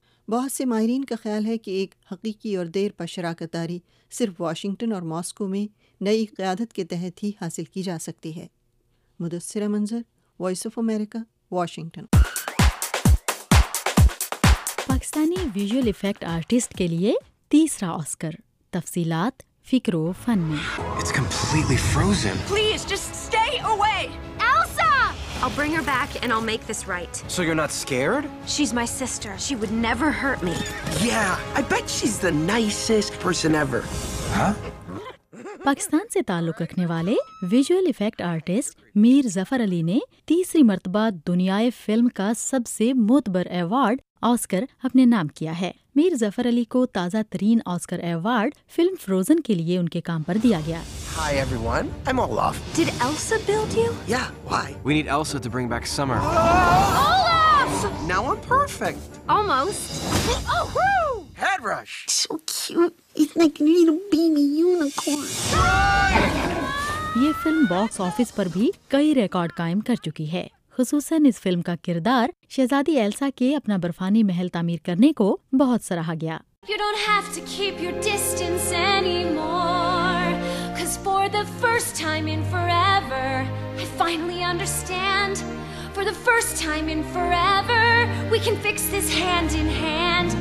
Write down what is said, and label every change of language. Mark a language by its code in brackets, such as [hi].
[ur] بہت سے ماہرین کا خیال ہے کہ ایک حقیقی اور دیر پا شراکت داری صرف واشنگٹن اور ماسکو میں نئی قیادت کے تحت ہی حاصل کی جا سکتی ہے۔ مدثر منظر، voice of America, Washington. Pakistani visual effect artist کے لیے 3rd آسکر، تفصیلات فکر و فن میں۔ [en] It's completely frozen. Please, just stay away. I'll bring her back and I'll make this right. So you're not scared? She's my sister. She would never hurt me. Yeah, I bet she's the nicest person ever. Huh? [ur] Pakistan سے تعلق رکھنے والے visual effect artist میر ظفر علی نے 3rd مرتبہ دنیائے film کا سب سے معتبر award Oscar اپنے نام کیا ہے۔ میر ظفر علی کو تازہ ترین آسکر ایوارڈ فلم فروزن کے لیے ان کے کام پر دیا گیا۔ [en] Hi everyone, I'm Olaf. Did Elsa build you? Yeah, why? We need Elsa to bring back summer. Olaf! Now I'm perfect. Almost. Oh, woo! Head rush. So cute. It's like a little baby unicorn. [ur] یہ film box office پر بھی کئی record قائم کر چکی ہے۔ خصوصاً اس film کا کردار شہزادی ایلسا کے اپنا برفانی محل تعمیر کرنے کو بہت سراہا گیا۔ [en] You don't have to keep your distance anymore. Cause for the first time in forever, I finally understand. For the first time in forever, we can fix this hand in hand.